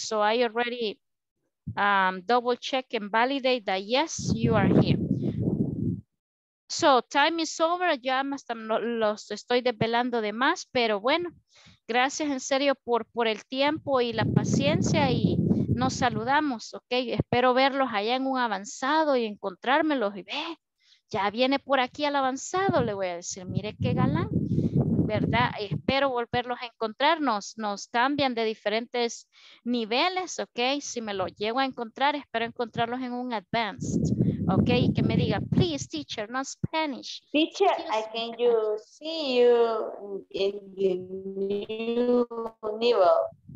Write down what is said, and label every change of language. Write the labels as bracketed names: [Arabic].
[English] So I already double check and validate that yes, you are here. So time is over. [Spanish] Ya hasta los estoy desvelando de más, pero bueno. Gracias en serio por el tiempo y la paciencia y nos saludamos, ok. Espero verlos allá en un avanzado y encontrármelos y ve, ya viene por aquí al avanzado, le voy a decir, mire qué galán, ¿verdad? Espero volverlos a encontrar, nos cambian de diferentes niveles, ok. Si me lo llego a encontrar, espero encontrarlos en un advanced, ok. Y que me diga, [English] please teacher, not Spanish. Teacher, excuse I can you see you in the new level.